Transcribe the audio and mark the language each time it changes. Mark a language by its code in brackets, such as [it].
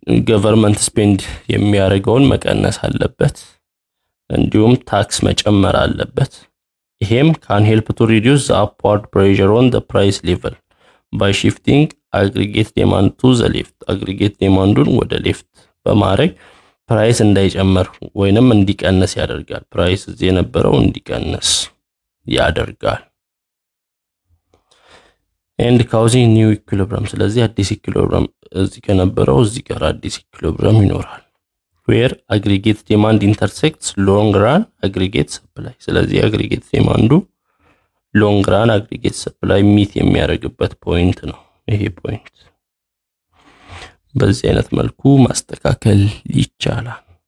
[en] government spend [am] የሚያደርገውን መቀነስ አለበት እንዲሁም [en] tax መጨመር አለበት። ይሄም can help to reduce the upward pressure on the price level by shifting aggregate demand to the left. [am] aggregate demandን ወደ left በማድረግ price እንዳይጨምር ወይንም እንዲቀነስ ያደርጋል። price እዚህ የነበረው እንዲቀነስ ያደርጋል [en] and causing new equilibrium. [am] ስለዚህ አዲስ equilibrium እዚህ ከነበረው እዚህ ጋር አዲስ equilibrium ይኖራል። [en] where aggregate demand intersects long run aggregate supply. [am] ስለዚህ aggregate demandu long run aggregate supply meet የሚያደርግበት point ነው ይሄ point። በዚህ አይነት መልኩ ማስተካከል ይቻላል።